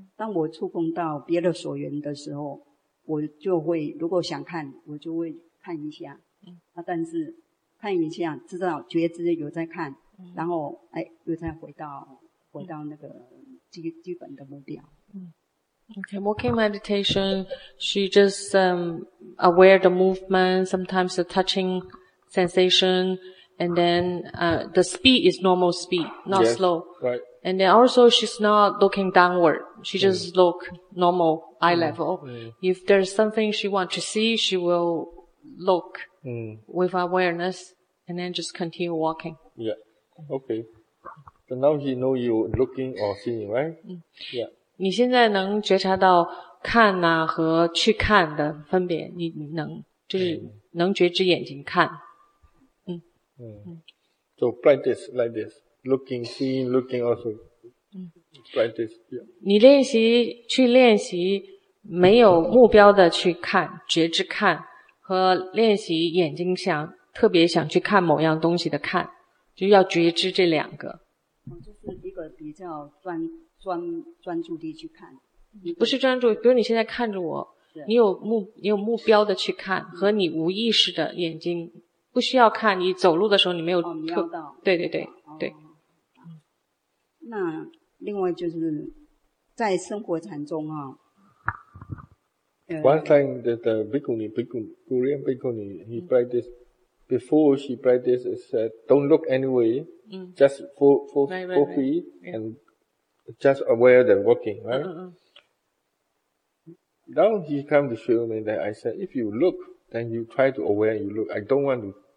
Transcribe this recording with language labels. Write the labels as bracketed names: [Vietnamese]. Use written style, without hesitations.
[Chinese] 当我触碰到别的所缘的时候，我就会如果想看，我就会看一下。但是看一下，知道觉知有在看，然后哎，又再回到那个基本的目标。 [English] Okay, walking meditation, she just aware the movement, sometimes the touching sensation. And then, the speed is normal speed, not yes, slow. Right. And then also she's not looking downward. She just look normal eye level. If there's something she wants to see, she will look with awareness and then just continue walking. Yeah. Okay. So now she know you looking or seeing, right? Yeah. [Chinese] 你现在能觉察到看啊和去看的分别，你能就是能觉知眼睛看。 [English] So practice like this, looking, seeing, looking also. Practice. Yeah. [Chinese] 你练习去练习没有目标的去看觉知看，和练习眼睛想特别想去看某样东西的看，就要觉知这两个。就是一个比较专注地去看。你不是专注，比如你现在看着我，你有目标的去看，和你无意识的眼睛。不需要看，你走路的时候你没有瞄到。对对对对。那另外就是在生活禅中啊。 [English] One time that the Bhikkhuni, Korean Bhikkhuni, he practiced, before she practiced, it said, don't look anyway, just four feet, and just aware that walking, right? Now he come to show me that I said, if you look, then you try to aware you look. I don't want to.